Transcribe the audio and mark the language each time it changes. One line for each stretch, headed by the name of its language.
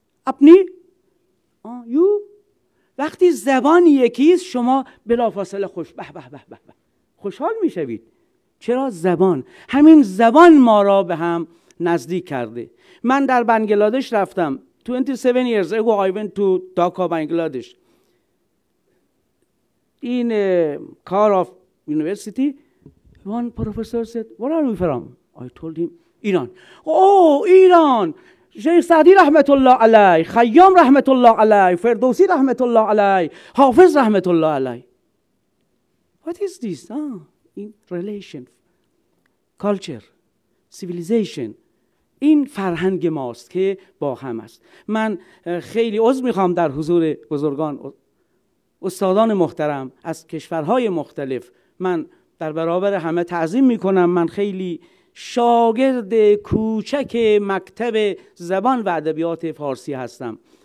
Persian: اپنی؟ یو؟ وقتی زبان یکیست شما بلافاصله خوش. به به به به به. خوشحال می شوید. چرا زبان؟ همین زبان ما را به هم نزدیک کرده. من در بنگلادش رفتم.
English: 27 years ago I went to Dhaka, Bangladesh. In a car of university, one professor said, where are we from? I told him, Iran. Oh, Iran!
Persian: شیخ سعدی رحمت الله علی، خیام رحمت الله علی، فردوسی رحمت الله علی، حافظ رحمت الله علی.
English: What is this? In relation, culture, civilization.
Persian: این فرهنگ ماست که با هم است. من خیلی عذر میخوام در حضور بزرگان استادان محترم از کشورهای مختلف. من در برابر همه تعظیم میکنم. من خیلی شاگرد کوچک مکتب زبان و ادبیات فارسی هستم.